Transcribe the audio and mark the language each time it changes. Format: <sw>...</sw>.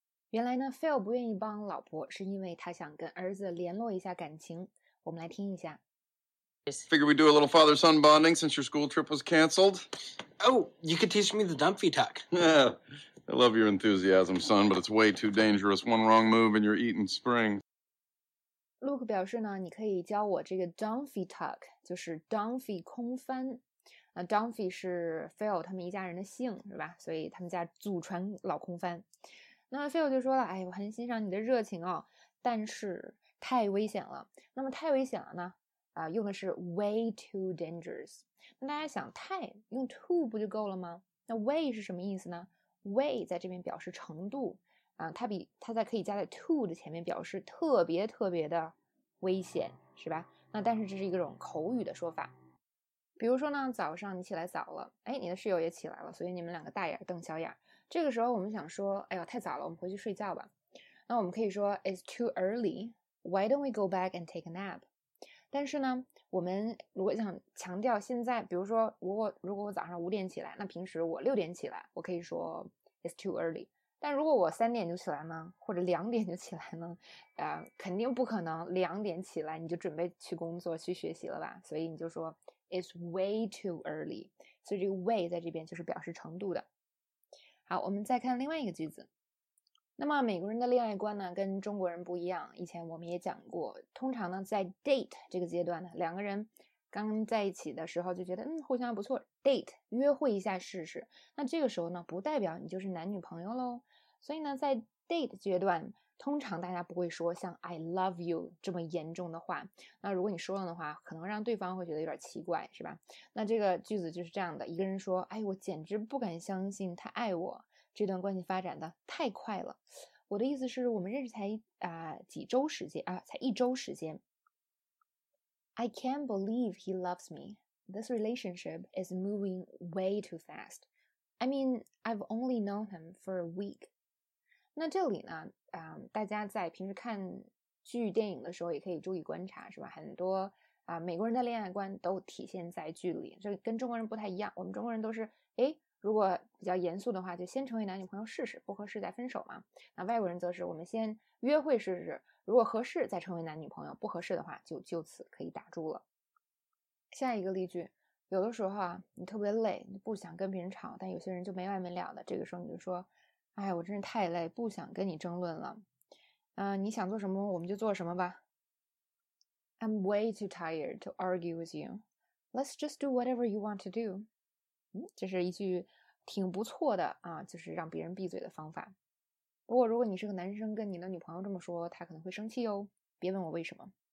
<zh>原来呢，Phil 不愿意帮老婆，是因为他想跟儿子联络一下感情。我们来听一下。</zh> <en>Figure we do a little father-son bonding since your school trip was canceled. Oh, you could teach me the dumpy tuck. I love your enthusiasm, son, but it's way too dangerous. One wrong move and you're eating spring.</en> <zh>Luke 表示呢，你可以教我这个 dumpy tuck， 就是 dumpy 空翻。 Dumpy 是 Phil 他们一家人的姓，是吧？所以他们家祖传老空翻。那 Phil 就说了，哎，我很欣赏你的热情哦，但是太危险了。那么太危险了呢？用的是</zh> <en>way too dangerous。</en> <zh>那大家想，太用 too 不就够了吗？那 way 是什么意思呢？ way 在这边表示程度啊，它在可以加在 too 的前面，表示特别特别的危险，是吧？那但是这是一种口语的说法。比如说呢，早上你起来早了，哎，你的室友也起来了，所以你们两个大眼瞪小眼。这个时候我们想说，哎呦，太早了，我们回去睡觉吧。那我们可以说</zh> <en>it's too early. Why don't we go back and take a nap?</en> <zh>但是呢，我们如果想强调现在，比如说如果我早上五点起来，那平时我六点起来，我可以说</zh> <en>it's too early。</en> <zh>但如果我三点就起来呢，或者两点就起来呢，肯定不可能两点起来你就准备去工作去学习了吧？所以你就说</zh> <en>it's way too early。</en> <zh>所以这个 way 在这边就是表示程度的。好，我们再看另外一个句子。那么美国人的恋爱观呢，跟中国人不一样。以前我们也讲过，通常呢，在 date 这个阶段呢，两个人刚在一起的时候就觉得，互相不错 ，date 约会一下试试。那这个时候呢，不代表你就是男女朋友喽。所以呢，在 date 阶段，通常大家不会说像</zh> <en>I love you</en> <zh>这么严重的话。那如果你说了的话，可能让对方会觉得有点奇怪，是吧？那这个句子就是这样的：一个人说，哎，我简直不敢相信他爱我。这段关系发展的太快了，我的意思是我们认识才几周时间啊，才一周时间。</zh> <en>I can't believe he loves me. This relationship is moving way too fast. I mean, I've only known him for a week.</en> <zh>那这里呢，大家在平时看剧电影的时候也可以注意观察，是吧？很多美国人的恋爱观都体现在剧里，这跟中国人不太一样。我们中国人都是哎。如果比较严肃的话，就先成为男女朋友试试，不合适再分手嘛。那外国人则是我们先约会试试，如果合适再成为男女朋友，不合适的话就此可以打住了。下一个例句，有的时候啊，你特别累，你不想跟别人吵，但有些人就没完没了的，这个时候你就说，哎，我真是太累，不想跟你争论了。你想做什么我们就做什么吧。</zh> <en>I'm way too tired to argue with you. Let's just do whatever you want to do.</en> <zh>这是一句挺不错的啊，就是让别人闭嘴的方法。不过如果你是个男生跟你的女朋友这么说，她可能会生气哦，别问我为什么。</zh>